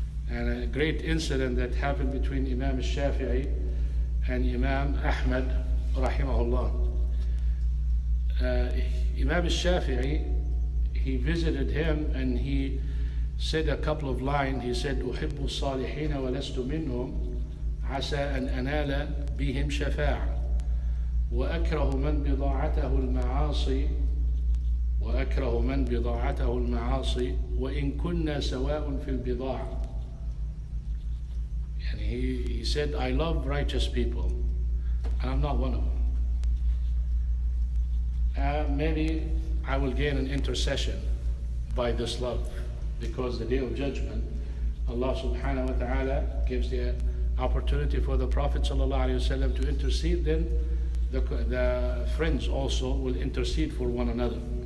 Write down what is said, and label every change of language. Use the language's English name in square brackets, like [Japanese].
[English] And a great incident that happened between Imam al-Shafi'i and Imam Ahmad rahimahullah. Imam al-Shafi'i, he visited him and he said a couple of lines. He said, [Arabic] أحب الصالحين ولست منهم عسى أن أنال بهم شفاعة وأكره من بضاعته المعاصي وأكره من بضاعته المعاصي وإن كنا سواء في البضاعة. [English] And he said, I love righteous people and I'm not one of them. Maybe I will gain an intercession by this love, because the day of judgment, Allah subhanahu wa ta'ala gives the opportunity for the Prophet sallallahu alayhi wa sallam to intercede, then the friends also will intercede for one another.